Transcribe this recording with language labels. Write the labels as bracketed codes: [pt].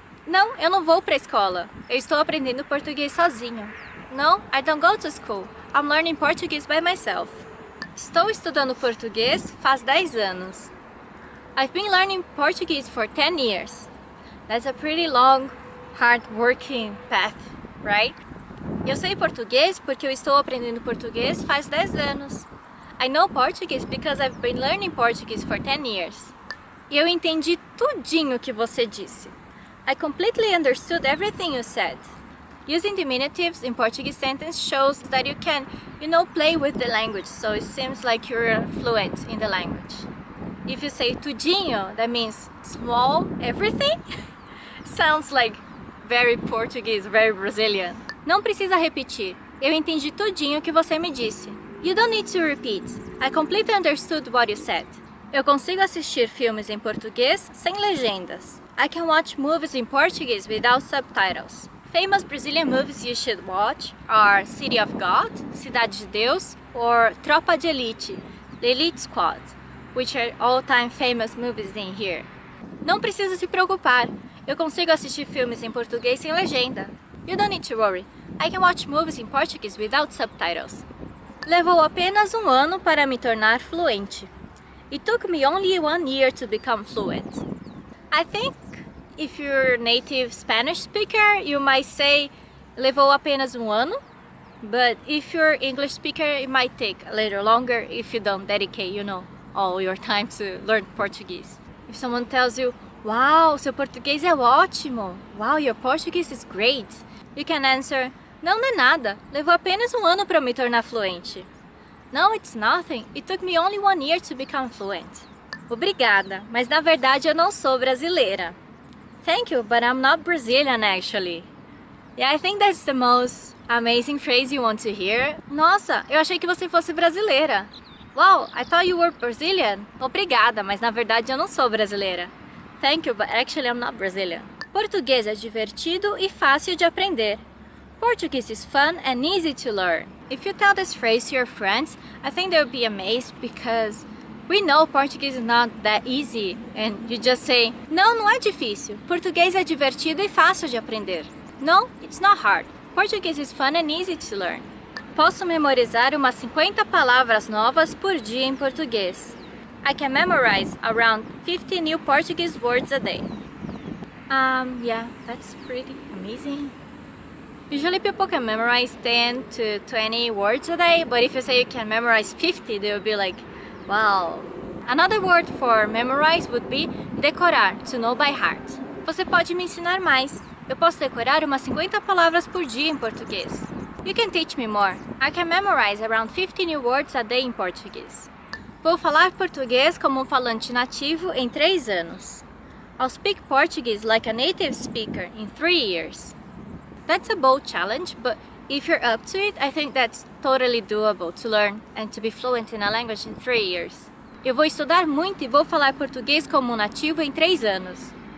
[pt] Não, eu não vou para a escola. Eu estou aprendendo português sozinho. [en] No, I don't go to school. I'm learning Portuguese by myself. [pt] Estou estudando português faz 10 anos. [en] I've been learning Portuguese for 10 years. That's a pretty long, hard-working path, right? [pt] Eu sei português porque eu estou aprendendo português faz 10 anos. [en] I know Portuguese because I've been learning Portuguese for 10 years. [pt] Eu entendi tudinho que você disse. [en] I completely understood everything you said. Using diminutives in Portuguese sentence shows that you can, you know, play with the language, so it seems like you're fluent in the language. If you say tudinho, that means small everything. Sounds like very Portuguese, very Brazilian. [pt] Não precisa repetir. Eu entendi tudinho que você me disse. [en] You don't need to repeat. I completely understood what you said. [pt] Eu consigo assistir filmes em português sem legendas. [en] I can watch movies in Portuguese without subtitles. Famous Brazilian movies you should watch are City of God, [pt] Cidade de Deus, [en] or Tropa de Elite, The Elite Squad, which are all-time famous movies in here. [pt] Não precisa se preocupar. Eu consigo assistir filmes em português sem legenda. [en] You don't need to worry. I can watch movies in Portuguese without subtitles. [pt] Levou apenas ano para me tornar fluente. [en] It took me only 1 year to become fluent. I think if you're a native Spanish speaker, you might say [pt] levou apenas ano. [en] But if you're English speaker, it might take a little longer if you don't dedicate, you know, all your time to learn Portuguese. If someone tells you, wow, [pt] seu português é ótimo. [en] Wow, your Portuguese is great. You can answer, [pt] não, não é nada. Levou apenas ano para me tornar fluente. [en] No, it's nothing. It took me only 1 year to become fluent. [pt] Obrigada, mas na verdade eu não sou brasileira. [en] Thank you, but I'm not Brazilian, actually. Yeah, I think that's the most amazing phrase you want to hear. [pt] Nossa, eu achei que você fosse brasileira. [en] Wow, I thought you were Brazilian. [pt] Obrigada, mas na verdade eu não sou brasileira. [en] Thank you, but actually I'm not Brazilian. [pt] Português é divertido e fácil de aprender. [en] Portuguese is fun and easy to learn. If you tell this phrase to your friends, I think they'll be amazed because we know Portuguese is not that easy. And you just say, [pt] não, não é difícil. Português é divertido e fácil de aprender. [en] No, it's not hard. Portuguese is fun and easy to learn. [pt] Posso memorizar umas 50 palavras novas por dia em português. [en] I can memorize around 50 new Portuguese words a day. Yeah, that's pretty amazing. Usually people can memorize 10 to 20 words a day, but if you say you can memorize 50, they'll be like, wow. Another word for memorize would be decorar, to know by heart. [pt] Você pode me ensinar mais. Eu posso decorar umas 50 palavras por dia em português. [en] You can teach me more. I can memorize around 50 new words a day in Portuguese. [pt] Vou falar português como um falante nativo em 3 anos. [en] I'll speak Portuguese like a native speaker in 3 years. That's a bold challenge, but if you're up to it, I think that's totally doable to learn and to be fluent in a language in 3 years. [pt] Eu vou estudar muito e vou falar português como um nativo em 3 anos.